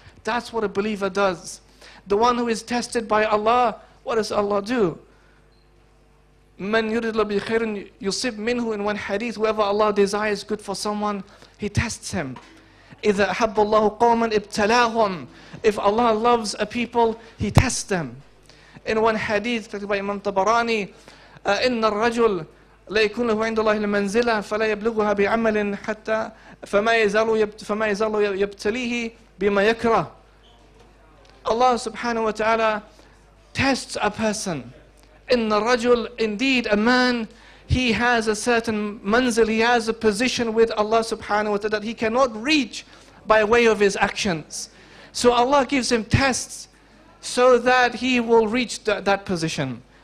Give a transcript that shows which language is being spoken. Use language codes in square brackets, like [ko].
[en] That's what a believer does. The one who is tested by Allah, what does Allah do? [ar] مَنْ يُرِدْ لَهُ بِخَيْرٍ يُصِبْ مِنْهُ. [en] In one hadith, whoever Allah desires good for someone, He tests him. [ar] إِذَا أَحَبَّ اللَّهُ قَوْمًا ابْتَلَاهُمْ. [en] If Allah loves a people, He tests them. In one hadith, by Imam Tabarani, [ar] إِنَّ الرَّجُلْ لَيْكُنْ لَهُ عِنْدَ اللَّهِ الْمَنْزِلَةِ فَلَا يَبْلُغُهَا بِعَمَلٍ حَتَّى فَمَا يَزَالُ يَبْتَلِيهِ بِمَا يَكْرَهُ. [en] Allah subhanahu wa ta'ala tests a person. [ar] Inna rajul, [en] indeed a man, he has a certain manzil, he has a position with Allah subhanahu wa ta'ala that he cannot reach by way of his actions. So Allah gives him tests so that he will reach that position.